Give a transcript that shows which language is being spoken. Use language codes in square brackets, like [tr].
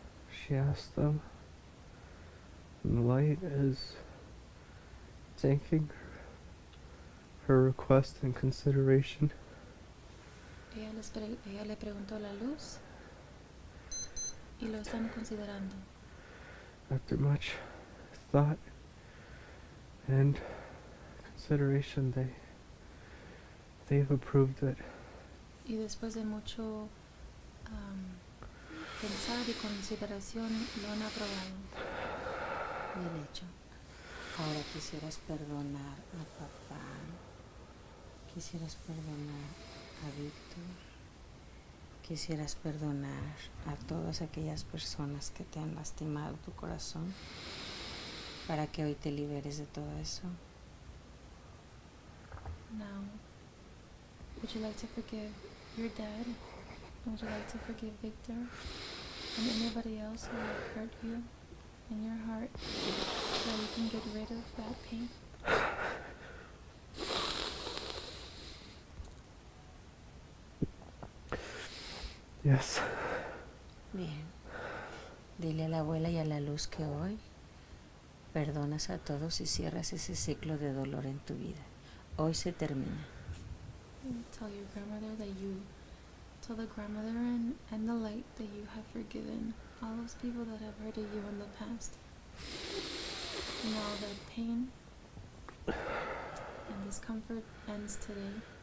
[en] She asked them. And light is taking her request in consideration. [es] Ella le preguntó la luz y lo están considerando. [en] After much thought and consideration, they have approved it. [es] Y después de mucho pensar y consideración, lo han aprobado. Bien hecho. Ahora quisieras perdonar a papá. Quisieras perdonar a Víctor. Quisieras perdonar a todas aquellas personas que te han lastimado tu corazón. Para que hoy te liberes de todo eso. [en] Now, would you like to forgive your dad? Would you like to forgive Victor and anybody else who hurt you in your heart so you can get rid of that pain? Yes. [es] Bien. Dile a la abuela y a la luz que hoy perdonas a todos y cierras ese ciclo de dolor en tu vida. Hoy se termina. [en] Tell your grandmother that you tell the grandmother and the light that you have forgiven all those people that have hurt you in the past. And all the pain and discomfort ends today.